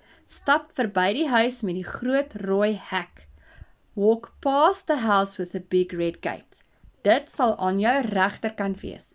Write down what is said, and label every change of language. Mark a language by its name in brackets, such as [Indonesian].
[Afrikaans] Stap verby die huis met die groot rooi hek. [English] Walk past the house with the big red gate. [Afrikaans] Dit sal aan jou regterkant wees.